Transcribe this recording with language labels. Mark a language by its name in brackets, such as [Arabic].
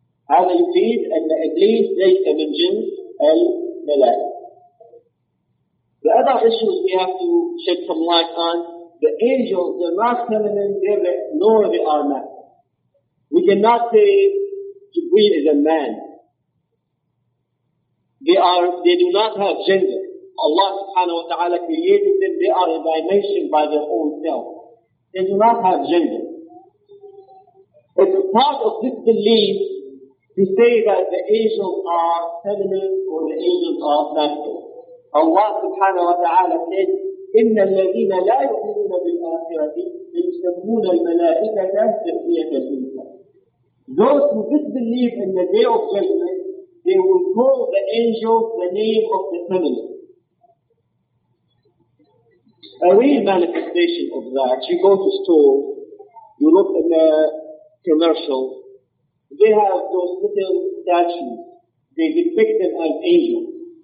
[Arabic] هذا يفيد أن إبليس ليس من جنس الملائكة. [English] The other issues we have to shed some light on, the angels, they're not feminine, they're nor they are men. We cannot say Jibreel is a man. They do not have gender. Allah subhanahu wa ta'ala created them, they are a dimension by their own self. They do not have gender. It's part of this belief to say that the angels are feminine or the angels are masculine. Allah subhanahu wa ta'ala said, [Arabic] إِنَّ الَّذِينَ لَا يُؤْمِنُونَ بِالْآخِرَةِ يُسَمُّونَ الْمَلَائِكَةَ تَسْمِيَةَ الْأُنْثَى. [English] Those who disbelieve in the Day of Judgment, they will call the angels the name of the feminine. A real manifestation of that, you go to store, you look in the commercial, they have those little statues, they depict them as angels.